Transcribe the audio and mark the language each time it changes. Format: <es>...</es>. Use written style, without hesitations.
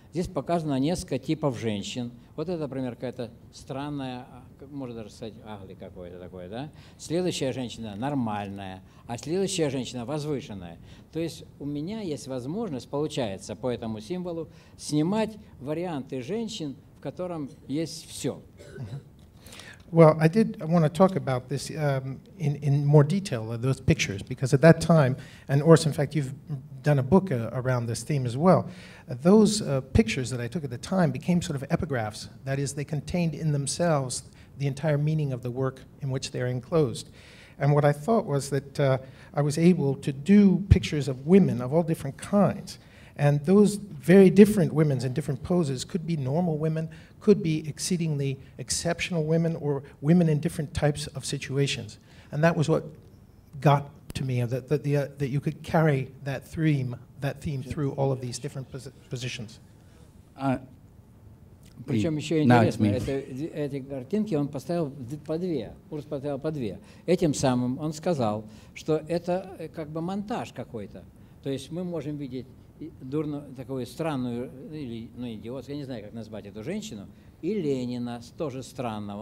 <ru>Здесь показано несколько типов женщин. Вот это, например, какая-то странная, можно даже сказать, агли какое-то такое, да? Следующая женщина нормальная, а следующая женщина возвышенная. То есть у меня есть возможность, получается, по этому символу, снимать варианты женщин, в котором есть все.</ru> <en>Well, I did want to talk about this in more detail, those pictures, because at that time, and Urs, in fact, you've done a book around this theme as well. Those pictures that I took at the time became sort of epigraphs. That is, they contained in themselves the entire meaning of the work in which they're enclosed. And what I thought was that I was able to do pictures of women of all different kinds. And those very different women in different poses could be normal women, could be exceedingly exceptional women, or women in different types of situations. And that was what got to me, that you could carry that theme through all of these different positions.</en> <ru>Причем еще интересно, эти картинки он поставил по две, Урс поставил по две. Этим самым он сказал, что это как бы монтаж какой-то. То есть мы можем видеть дурно, такую странную, или, ну, идиотскую, я не знаю, как назвать эту женщину, и Ленина, тоже странного.</ru>